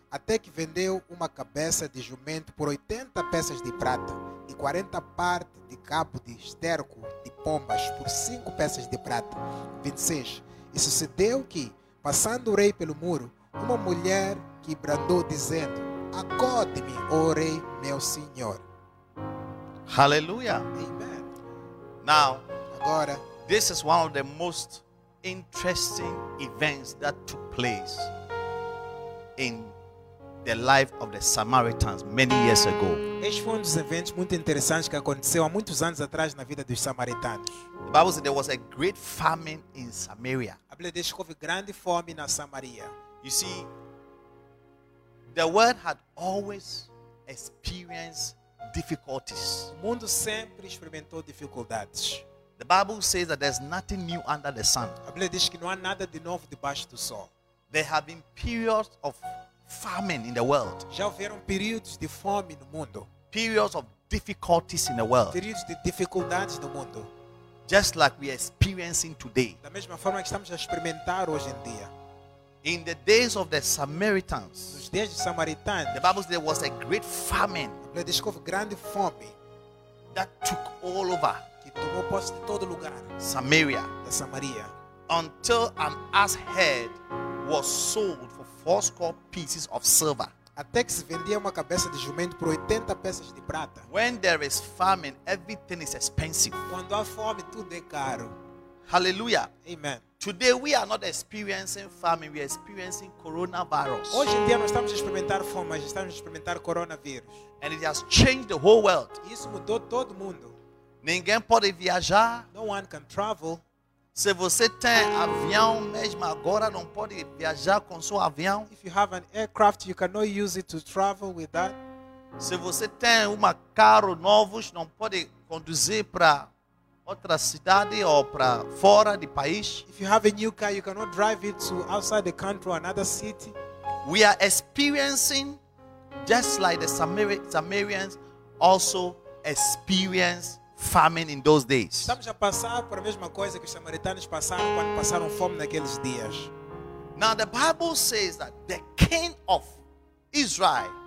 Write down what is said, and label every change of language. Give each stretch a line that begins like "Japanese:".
Portuguese: Até que vendeu uma cabeça de jumento por 80 peças de prata e 40 partes de cabo de esterco de pombas por 5 peças de prata. 26. E sucedeu que, passando o rei pelo muro, uma mulher que bradou dizendo, acode-me, ó rei, meu senhor.
English: Hallelujah. Amen. Now,
Portuguese: agora,
English: this is one of the most interesting events that took place in the life of the Samaritans many years ago.
Portuguese: Este foi um dos eventos muito interessantes que aconteceu há muitos anos atrás na vida dos samaritanos.
English: The Bible says there was a great famine in Samaria.
Portuguese: A Bíblia diz que houve grande fome na Samaria.
English: You see, the world had always experienced difficulties.
Portuguese: O mundo sempre experimentou dificuldades.
English: The Bible says that there's nothing new under the sun.
Portuguese: A Bíblia diz que não há nada de novo debaixo do sol.
English: There have been periods of famine in the world.
Portuguese: Já houveram períodos de fome no mundo.
English: Periods of difficulties in the world.
Portuguese: Períodos de dificuldades no mundo.
English: Just like we are experiencing today.
Portuguese: Da mesma forma que estamos a experimentar hoje em dia.
English: In the days of the Samaritans,
Portuguese: nos dias dos samaritanos,
English: the Bible says there was a great famine.
Portuguese: Ele diz que houve grande fome.
English: That took all over.
Portuguese: Que tomou posse de todo lugar.
English: Samaria.
Portuguese: Da Samaria.
English: Until an ass head was sold for 80 pieces of silver.
Portuguese: Até que se vendia uma cabeça de jumento por 80 peças de prata.
English: When there is famine, everything is expensive.
Portuguese: Quando há fome, tudo é caro.
English: Hallelujah. Amen. Today we are not experiencing famine, we are experiencing coronavirus.
Portuguese: Hoje em dia não estamos a experimentar fome, mas estamos a experimentar coronavírus.
English: And it has changed the whole world.
Portuguese: Isso mudou todo mundo. Ninguém pode viajar.
English: No one can travel.
Portuguese: Se você tem avião mesmo agora, não pode viajar com seu avião.
English: If you have an aircraft, you cannot use it to travel with that.
Portuguese: Se você tem uma carro novo, não pode conduzir para outra cidade ou para fora do país.
English: If you have a new car, you cannot drive it to outside the country, another city. We are experiencing, just like the Samaritans also experience famine in those days.
Portuguese: Estamos a passar por a mesma coisa que os samaritanos passaram quando passaram fome naqueles dias.
English: Now the Bible says that the king of Israel,